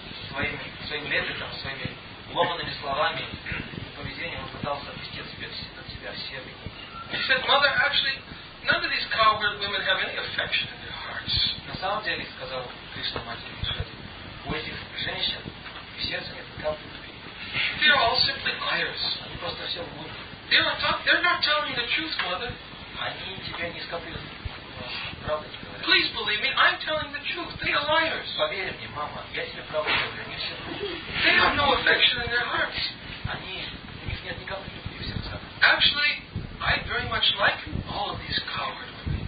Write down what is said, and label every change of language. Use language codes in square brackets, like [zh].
[ru] Своими репликами, своими ломанными словами и поведением он пытался отвести от себя все обиды. [en] He said, Mother, actually, none of these cowherd women have any affection in their hearts. [ru] На самом деле, сказал Кришна матери, у этих женщин в сердце нет капли любви. [en] They are all simply liars. [ru] Они просто все лгут. [en] They're not telling the truth, Mother. [ru] Они тебе не скопили правды. [en] Please believe me, I'm telling the truth. They are liars. [ru] Поверь мне, мама, я тебе правду говорю, они все. [en] They have no affection in their hearts. [ru] Они, у них нет никакой любви в сердцах. [en] Actually, I very much like all of these cowards.